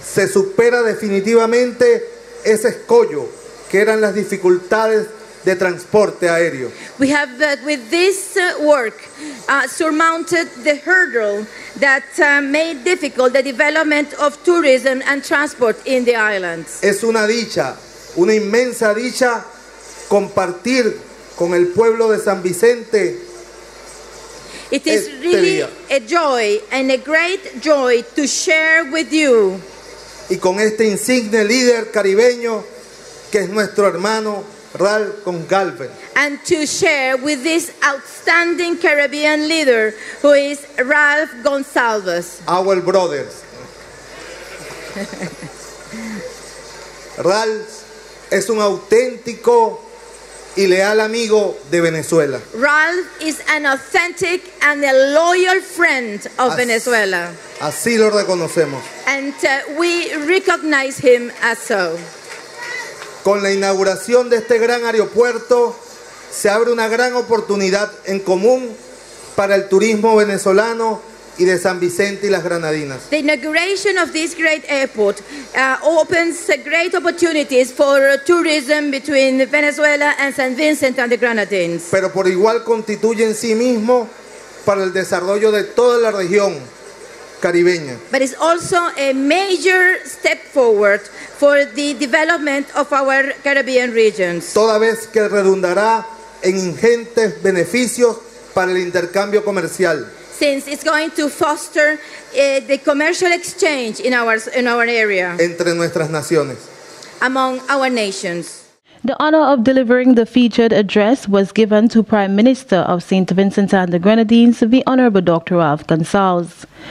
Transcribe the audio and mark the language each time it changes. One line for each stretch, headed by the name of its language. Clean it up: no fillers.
Spanish: Se supera definitivamente ese escollo que eran las dificultades de transporte aéreo.
English: We have with this work surmounted the hurdle that made difficult the development of tourism and transport in the islands.
Spanish: Es una dicha, una inmensa dicha compartir con el pueblo de San Vicente.
English: It is
Spanish: este
English: really
Spanish: día.
English: A joy and a great joy to share with you.
Spanish: Y con este insigne líder caribeño que es nuestro hermano Ral Goncalves.
English: And to share with this outstanding Caribbean leader who is Ralph Goncalves. Our brothers.
Spanish: Ralph es un auténtico y leal amigo de Venezuela.
English: Ralph is an authentic and a loyal friend of Venezuela.
Spanish: Así lo reconocemos.
English: And we recognize him as so.
Spanish: Con la inauguración de este gran aeropuerto se abre una gran oportunidad en común para el turismo venezolano y de San Vicente y las Granadinas.
English: The inauguration of this great airport opens great opportunities for tourism between Venezuela and St. Vincent and the Grenadines.
Spanish: Pero por igual constituye en sí mismo para el desarrollo de toda la región caribeña.
English: But it's also a major step forward for the development of our Caribbean regions.
Spanish: Toda vez que redundará en ingentes beneficios para el intercambio comercial.
English: Since it's going to foster the commercial exchange in our area.
Spanish: Entre nuestras naciones.
English: Among our nations. The honor of delivering the featured address was given to Prime Minister of St. Vincent and the Grenadines, the Honorable Dr. Ralph Goncalves.